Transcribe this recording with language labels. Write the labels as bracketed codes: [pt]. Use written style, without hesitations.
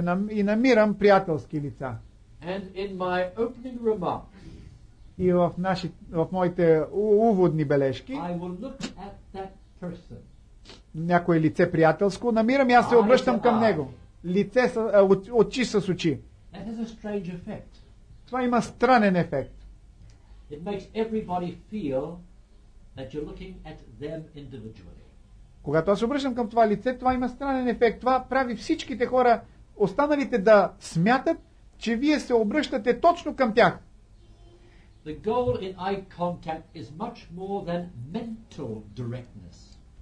[bg] И намирам приятелски лица. [en] And in my opening remarks. [bg] И в моите уводни бележки. [en] I will look at that person. [bg] Някое лице приятелско, намирам и аз се обръщам към него. Лице с очи с очи. [en] That has a strange effect. [bg] Това има странен ефект. [en] It makes everybody feel that you're looking at them individually. [bg] Когато аз се обръщам към това лице, това има странен ефект. Това прави всичките хора, останалите да смятат, че вие се обръщате точно към тях. [en] The goal in eye contact is much more than mental directness.